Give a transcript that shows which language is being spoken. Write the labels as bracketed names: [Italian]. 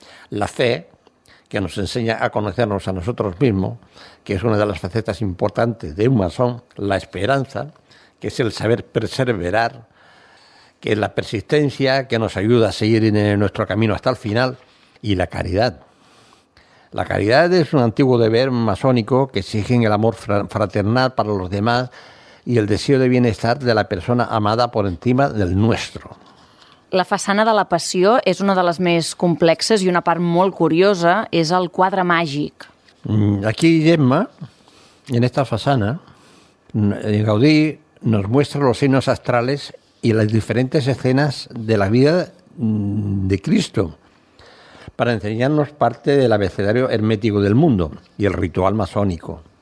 [Spanish] La fe, que nos enseña a conocernos a nosotros mismos, que es una de las facetas importantes de un masón, la esperanza, que es el saber perseverar, que es la persistencia, que nos ayuda a seguir en nuestro camino hasta el final, y la caridad. La caridad es un antiguo deber masónico que exige el amor fraternal para los demás y el deseo de bienestar de la persona amada por encima del nuestro. [Catalan] La façana de la Passió és una de les més complexes i una part molt curiosa és el quadre màgic. [Spanish] Aquí, Gemma, en esta façana, Gaudí nos muestra los signos astrales y las diferentes escenas de la vida de Cristo para enseñarnos parte del abecedario hermético del mundo y el ritual masónico.